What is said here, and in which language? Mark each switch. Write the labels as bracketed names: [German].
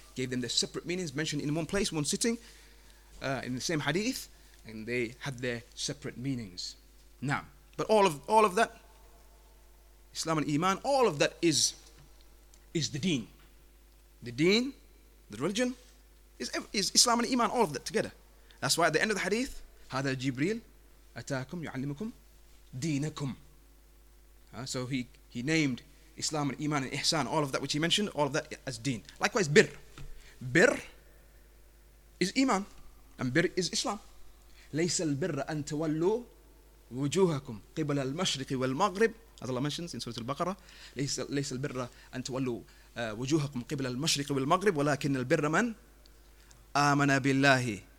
[English] Gave them their separate meanings, mentioned in one place, one sitting, in the same hadith, and they had their separate meanings. Now, but all of that, Islam and Iman, all of that is the deen. The deen, the religion, is Islam and Iman, all of that together. That's why at the end of the hadith, [Arabic] هذا جبريل أتاكم يعلمكم دينكم. [English] So he named Islam and Iman and Ihsan, all of that which he mentioned, all of that as deen. Likewise, birr. Birr is Iman, and birr is Islam. [Arabic] ليس البر أن تولوا وجوهكم قبل المشرق والمغرب, [English] as Allah mentions in Surah Al-Baqarah, [Arabic] ليس البر أن تولوا وجوهكم قبل المشرق والمغرب ولكن البر من آمن بالله.